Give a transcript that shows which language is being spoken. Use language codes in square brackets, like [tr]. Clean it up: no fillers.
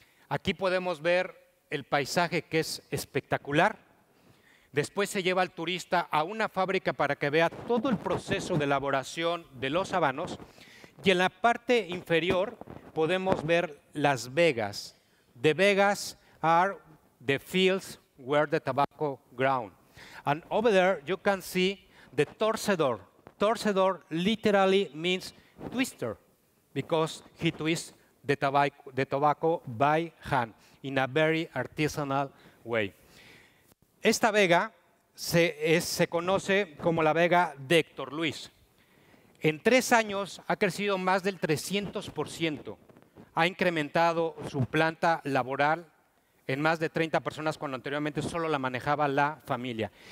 [es] Aquí podemos ver el paisaje que es espectacular. Después se lleva al turista a una fábrica para que vea todo el proceso de elaboración de los habanos. Y en la parte inferior podemos ver las vegas. [en] The vegas are the fields where the tobacco grown. And over there you can see the torcedor. Torcedor literally means twister, because he twists the tobacco by hand in a very artisanal way. [es] Esta vega se conoce como la vega de Héctor Luis. En 3 años ha crecido más del 300%. Ha incrementado su planta laboral en más de 30 personas cuando anteriormente solo la manejaba la familia.